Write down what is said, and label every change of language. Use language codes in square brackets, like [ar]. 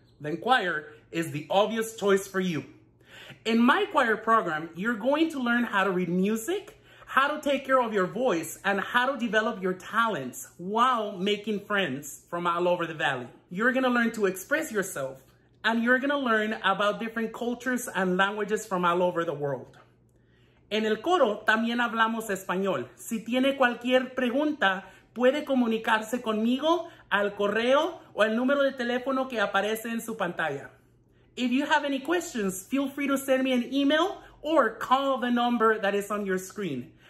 [en] Then choir is the obvious choice for you. In my choir program, you're going to learn how to read music, how to take care of your voice, and how to develop your talents while making friends from all over the valley. You're gonna learn to express yourself, and you're gonna learn about different cultures and languages from all over the world. [es] En el coro, también hablamos español. Si tiene cualquier pregunta, puede comunicarse conmigo al correo o el número de teléfono que aparece en su pantalla. [en] If you have any questions, feel free to send me an email or call the number that is on your screen.